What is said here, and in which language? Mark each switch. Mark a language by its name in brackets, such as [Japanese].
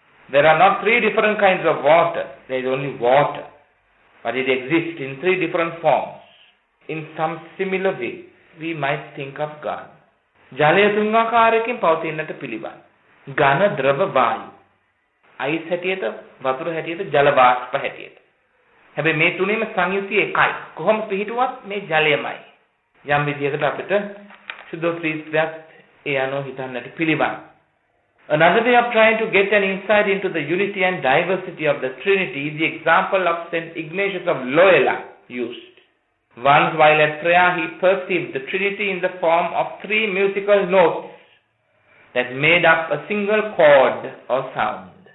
[English] There are not 3 different kinds of water, there is only water, but it exists in 3 different forms. In some similar way, we might think of God. [Sinhala] ජලය තුන් ආකාරයකින් පවතින්නට පිළිවන්. ඝන, ද්‍රව, වායු. Ice හැටියට, වතුර හැටියට, ජල වාෂ්ප හැටියට. හැබැයි මේ තුනේම සංයුතිය එකයි. කොහොම පිහිටුවත් මේ ජලයමයි. යම් විදියකට අපිට සුද්ධෝත්‍රිත්වයක් ඒ අනුව හිතන්නට පිළිවන්. [English] Another way of trying to get an insight into the unity and diversity of the Trinity is the example of St. Ignatius of Loyola used. Once while at prayer, he perceived the Trinity in the form of 3 musical notes that made up a single chord or sound.